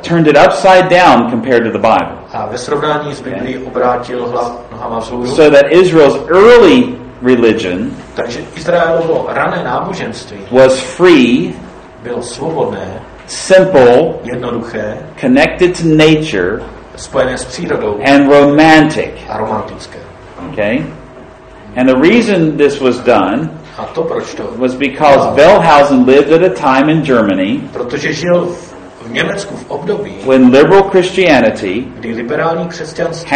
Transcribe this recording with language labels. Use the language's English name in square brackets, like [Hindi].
[English] Turned it upside down compared to the Bible. [Czech] A ve srovnání s Biblií obrátil nohama vzhůru. [English] So that Israel's early religion, [Czech] takže Izraelovo rané náboženství, [English] was free, [Czech] bylo svobodné, [English] simple, [Czech] jednoduché, [English] connected to nature, [Czech] spojené s přírodou, [English] and romantic. [Czech] A romantické. [English] Okay? And the reason this was done [Czech] a to, proč to, [English] was because Wellhausen lived at a time in Germany, [Czech] protože žil v Německu v období, [English] when liberal Christianity, [Czech] kdy liberální křesťanství,